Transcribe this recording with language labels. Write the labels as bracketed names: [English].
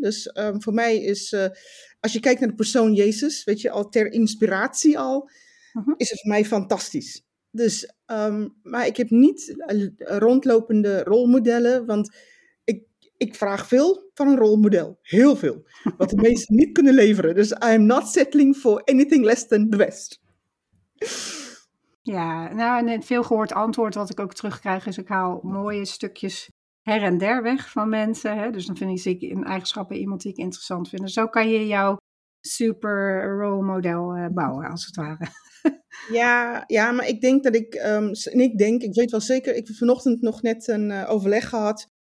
[Dutch] Dus voor mij is, als je kijkt naar de persoon Jezus, weet je, al ter inspiratie al, is het voor mij fantastisch. Dus, maar ik heb niet rondlopende rolmodellen, want ik vraag veel van een rolmodel. Heel veel. Wat de meesten niet kunnen leveren. [English] Dus I'm not settling for anything less than the best. [Dutch] Ja, nou, en het veel gehoord antwoord wat ik ook terugkrijg is, ik haal mooie stukjes her en der weg van mensen. Hè? Dus dan vind ik zeker in eigenschappen iemand die ik interessant vind. Zo kan je jouw super rolmodel bouwen, als het ware. Ja, ja, maar ik denk dat ik, ik weet wel zeker, ik heb vanochtend nog net een overleg gehad.